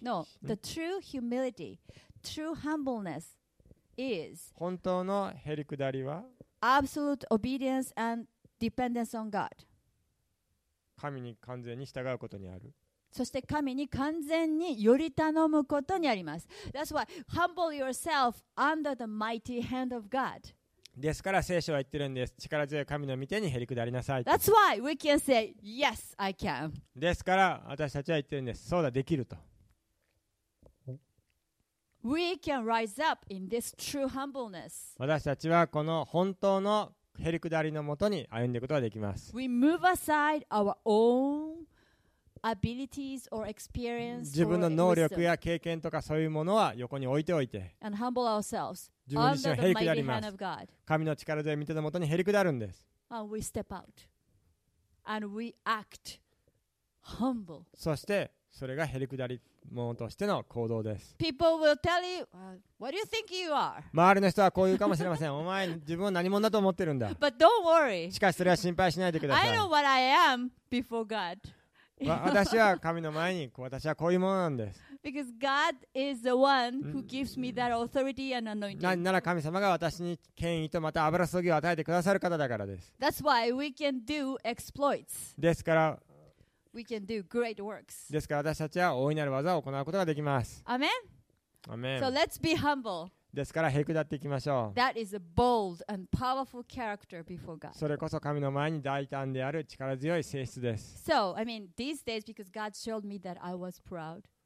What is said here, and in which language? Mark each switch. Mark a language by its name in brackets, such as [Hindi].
[English] No, the true humility, true humbleness is. [Japanese] 本当のへりくだりは、 [English] Absolute obedience and dependence on God. [Japanese] 神に完全に従うことにある。そして神に完全により頼むことにあります。 [English] That's why humble yourself under the mighty hand of God. [Japanese] ですから聖書は言ってるんです。力強い神の御手にへりくだりなさい。 [English] That's why we can say yes, I can. [Japanese] ですから私たちは言ってるんです。そうだ、できると。 [English] We can rise up in this true humbleness. [Japanese] 私たちはこの本当のへりくだりのもとに歩んでいくことができます。 [English] We move aside our own abilities or experience. [Japanese] 自分の能力や経験とかそういうものは横に置いておいて、 [English] and humble ourselves. [Japanese] 自分自身をへりくだります。神の力で見てのもとにへりくだるんです。 [English] And we step out. And we act humble. [Japanese] そしてそれがへりくだり者としての行動です。 [English] People will tell you, what do you think you are? [Japanese] 周りの人はこう言うかもしれません。お前自分は何者だと思ってるんだ。 [English] But don't worry. [Japanese] しかしそれは心配しないでください。 [English] I know what I am before God. [Japanese] 私は神の前に私はこういうものなんです。 [English] Because God is the one who gives me that authority and anointing. [Japanese] 何なら神様が私に権威とまた油注ぎを与えてくださる方だからです。 [English] That's why we can do exploits. [Japanese] ですから。 [English] We can do great works. [Japanese] ですから私たちは大いなる技を行うことができます。アメン。アメン。 [English] So let's be humble. [Japanese] ですからへりくだっていきましょう。 [English] That is a bold and powerful character before God. [Japanese] それこそ神の前に大胆である力強い性質です。 [English] So, I mean, these days, because God showed me that I was proud.